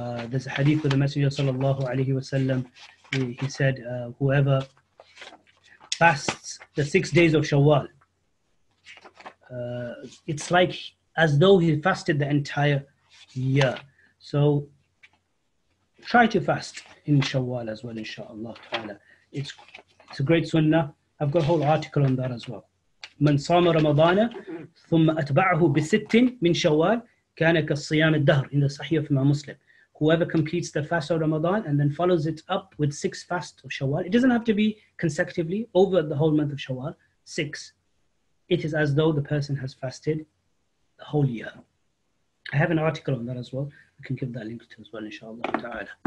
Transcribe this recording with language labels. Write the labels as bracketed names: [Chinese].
[English] There's a hadith of the Messenger sallallahu alaihi wasallam. He said, whoever fasts the 6 days of Shawwal, it's like as though he fasted the entire year. So try to fast in Shawwal as well, inshallah ta'ala. It's a great sunnah. I've got a whole article on that as well. [Arabic] من صام رمضان ثم أتبعه بست من شوال كان كالصيام الدهر [English] in the Sahih of Imam Muslim. Whoever completes the fast of Ramadan and then follows it up with six fasts of Shawwal, it doesn't have to be consecutively over the whole month of Shawwal, six. It is as though the person has fasted the whole year. I have an article on that as well. I can give that link to as well, inshallah ta'ala.